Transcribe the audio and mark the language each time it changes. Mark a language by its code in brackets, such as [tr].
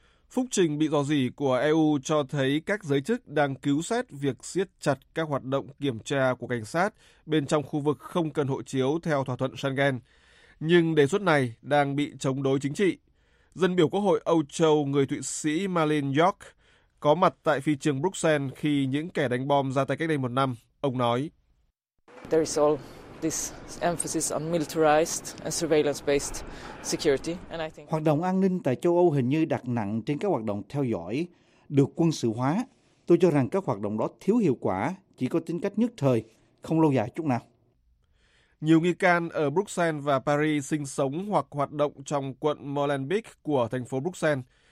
[vi] Phúc trình bị rò rỉ của EU cho thấy các giới chức đang cứu xét việc siết chặt các hoạt động kiểm tra của cảnh sát bên trong khu vực không cần hộ chiếu theo thỏa thuận Schengen. Nhưng đề xuất này đang bị chống đối chính trị. Dân biểu Quốc hội Âu Châu người Thụy Sĩ Malin York có mặt tại phi trường Bruxelles khi những kẻ đánh bom ra tay cách đây một năm. Ông nói. [en] There is all this emphasis on militarized and surveillance-based security. And I think [vi] hoạt động an ninh tại châu Âu hình như đặt nặng trên các hoạt động theo dõi, được quân sự hóa. Tôi cho rằng các hoạt động đó thiếu hiệu quả, chỉ có tính cách nhất thời, không lâu dài chút nào. Nhiều nghi can ở Bruxelles và Paris sinh sống hoặc hoạt động trong quận Molenbeek của thành phố Bruxelles.